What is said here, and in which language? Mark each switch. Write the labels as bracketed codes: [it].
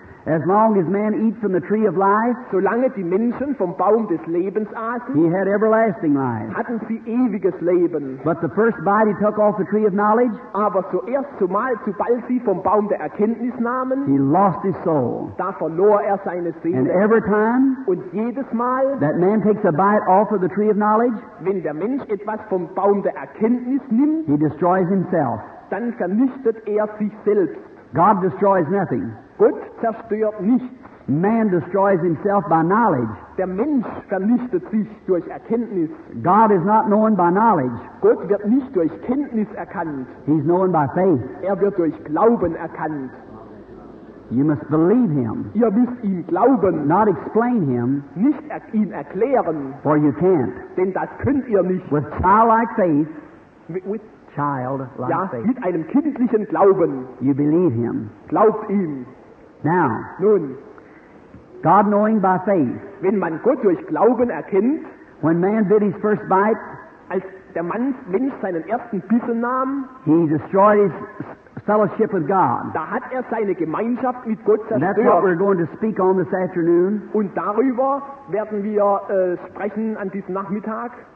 [en] As long as man eats from the tree of life, [de] solange die Menschen vom Baum des Lebens aßen, [en] he had everlasting life. [de] Hatten sie ewiges Leben. [en] But the first bite he took off the tree of knowledge, [de] aber zuerst zumal sobald sie vom Baum der Erkenntnis nahmen, [en] he lost his soul. [de] Da verlor seine Seele. [en] And every time, [de] und jedes Mal, [en] that man takes a bite off of the tree of knowledge, [de] wenn der Mensch etwas vom Baum der Erkenntnis nimmt, [en] he destroys himself. [de] Dann vernichtet sich selbst. [en] God destroys nothing. [de] Gott zerstört nichts. [en] Man destroys himself by knowledge. [de] Der Mensch vernichtet sich durch Erkenntnis. [en] God is not known by knowledge. [de] Gott wird nicht durch Kenntnis erkannt. [en] He's known by faith. [de] Er wird durch Glauben erkannt. [en] You must believe him. [de] Ihr müsst ihm glauben. [en] Not explain him. [de] Nicht ihn erklären. [en] For you can't. [de] Denn das könnt ihr nicht. [en] With childlike faith. With childlike [de] ja, [en] faith. [de] Mit einem kindlichen Glauben. [en] You believe him. [de] Glaubt ihm. [en] Now, [de] nun, [en] God knowing by faith, [de] wenn man Gott durch Glauben erkennt, [en] when man did his first bite, [de] als der Mensch seinen ersten Bissen nahm, [en] he destroyed his fellowship with God. [de] Da hat seine Gemeinschaft mit Gott zerstört. [en] And that's what we're going to speak on this afternoon. [de] Und darüber werden wir sprechen an diesem Nachmittag.